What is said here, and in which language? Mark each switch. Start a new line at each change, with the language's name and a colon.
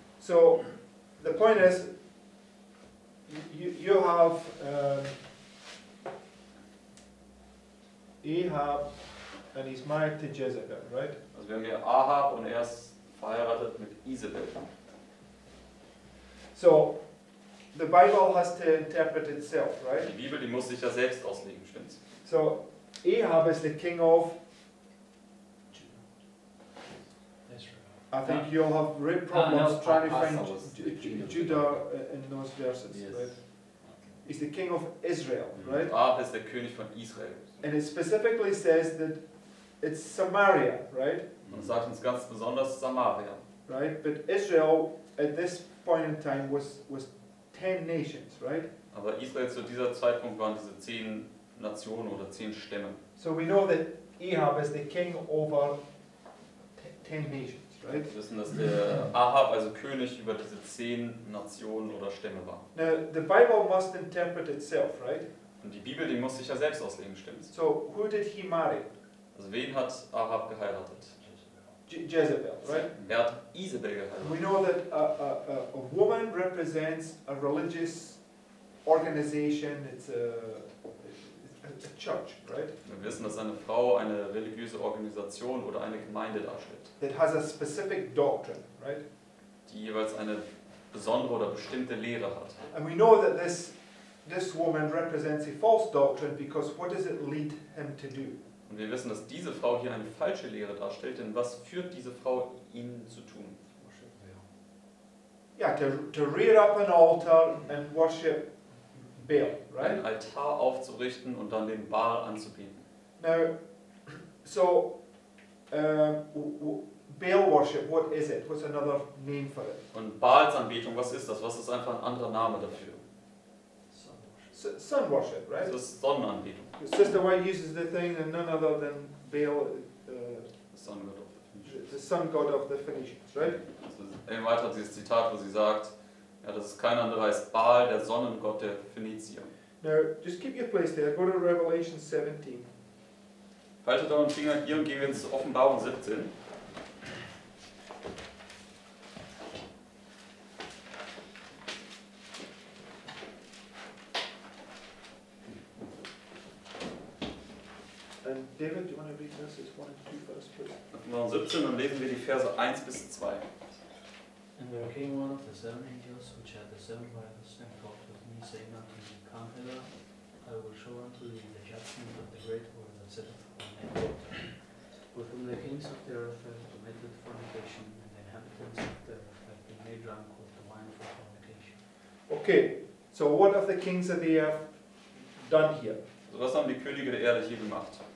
English: So, the point is, you have Ahab, and he's married to Jezebel, right?
German: Also wir haben hier Ahab und er ist verheiratet mit Isabel.
English: So, the Bible has to interpret itself, right?
German: Die Bibel, die muss sich ja selbst auslegen, stimmt's?
English: So, Ahab is the king of I think you'll have great problems trying to find Judah in those verses, yes. Right? He's the king of Israel, right?
German: Ahab ist der König von Israel.
English: And it specifically says that it's Samaria, right?
German: Und es sagt uns ganz besonders Samaria.
English: Right? But Israel at this point in time was 10 nations, right?
German: Aber Israel zu dieser Zeitpunkt waren diese 10 Nationen oder 10 Stämme.
English: So we know that Ahab is the king over 10 nations. Right.
German: Wir wissen, dass der Ahab, also König, über diese 10 Nationen oder Stämme war.
English: Now, the Bible must interpret itself, right?
German: Und die Bibel, die muss sich ja selbst auslegen, stimmt's?
English: So, who did he marry?
German: Also, wen hat Ahab geheiratet?
English: Jezebel, right?
German: Er hat Isabel geheiratet.
English: We know that a woman represents a religious organization, it's a church, right?
German: Wir wissen, dass eine Frau eine religiöse Organisation oder eine Gemeinde darstellt.
English: That has a specific doctrine, right?
German: Die jeweils eine besondere oder bestimmte Lehre hat.
English: And we know that this woman represents a false doctrine because what does it lead him to do?
German: Und wir wissen, dass diese Frau hier eine falsche Lehre darstellt, denn was führt diese Frau ihn zu tun?
English: Yeah, to rear up an altar and worship Baal, right?
German: Ein Altar aufzurichten und dann den Baal anzubeten.
English: Now, so Baal worship, what is it? What's another name for it?
German: Und Baalsanbetung, was ist das? Was ist einfach ein anderer Name dafür?
English: Sun worship, right?
German: Das ist Sonnenanbetung.
English: It's just the way he uses the thing and none other than Baal, the sun god of the Phoenicians. The sun god of the Phoenicians, right?
German: Also, Ellen White hat dieses Zitat, wo sie sagt, ja, das ist kein anderer als Baal, der Sonnengott der Phönizier.
English: Now, just keep your place there. Go to Revelation 17.
German: Faltet euren Finger hier und gehen wir ins Offenbarung 17.
English: verses 1 and 2 first, please.
German: 17, dann lesen wir die Verse 1 bis 2.
English: And there came one of the seven angels, which had the seven vials, and talked with me, saying unto me, Come hither, I will show unto thee the judgment of the great world that sitteth on thy throne, with whom the kings of the earth have committed fornication, and the inhabitants of the earth have been made drunk with the wine for fornication. Okay, so what have the kings of the earth done here?
German: So was haben die Könige der Erde hier gemacht?